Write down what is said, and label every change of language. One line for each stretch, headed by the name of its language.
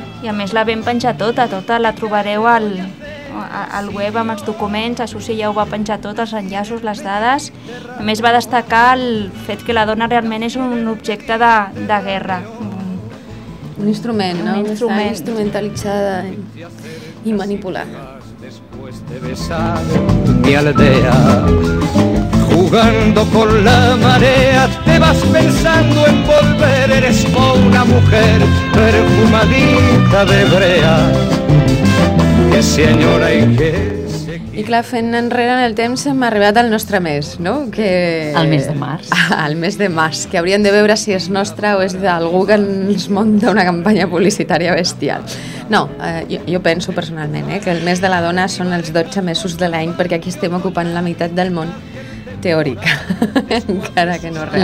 Catalan: Sí. I a més la vam penjar tota, tota la trobareu al, al web amb els documents, a Susi ja ho va penjar tot, els enllaços, les dades. A més va destacar el fet que la dona realment és un objecte de guerra. Un instrument, no? Un instrument. Està instrumentalitzada i manipulada.
Spanish: Después de besar mi aldea, jugando con la marea, te vas pensando en volver, eres como una mujer perfumadita de brea, que se añora y que se...
Catalan: I clar, fent enrere en el temps hem arribat al nostre mes, no? Que... Al mes de març. Al mes de març, que hauríem de veure si és nostre o és d'algú que ens munta una campanya publicitària bestial. No, jo penso personalment que el mes de la dona són els 12 mesos de l'any, perquè aquí estem ocupant la meitat del món teòric, encara que no real.